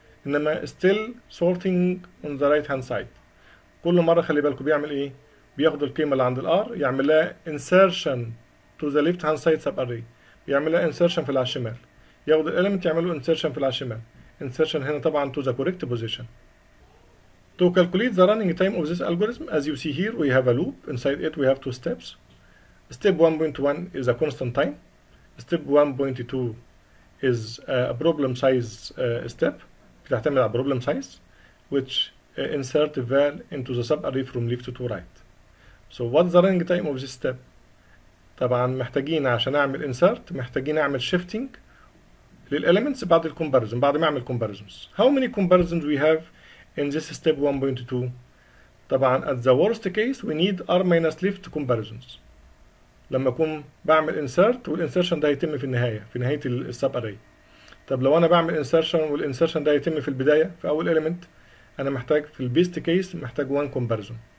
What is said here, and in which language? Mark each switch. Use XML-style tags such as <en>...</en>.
<en>انما still sorting on the right hand side.</en> <ar>كل مرة خلي بالكوا بيعمل ايه؟ بياخد القيمة اللي عند الـ R يعمل لها</ar> <en>insertion to the left hand side subarray.</en> <ar>بيعمل لها insertion في اللي على الشمال. ياخد الـ element يعمل له insertion في اللي على الشمال.</ar> <en>Insertion</en> <ar>هنا طبعا</ar> <en>to the correct position. To calculate the running time of this algorithm, as you see here, we have a loop. Inside it, we have two steps. Step 1.1 is a constant time. Step 1.2 is a problem size step,</en> <ar>بتعتمد على</ar> <en>problem size, which insert a val into the subarray from left to right. So what's the running time of this step?</en> <ar>طبعا محتاجين عشان اعمل insert, محتاجين اعمل shifting للelements بعد الcomparison, بعد ما اعمل comparisons.</ar> <en>How many comparisons we have in this step 1.2, طبعا at the worst case we need R minus left comparisons.</en> <ar>لما أكون بعمل insert والinsertion ده يتم في النهاية, في نهاية السبأري. طب لو أنا بعمل insertion والinsertion ده يتم في البداية في أول element, أنا محتاج في best case محتاج one comparison.</ar>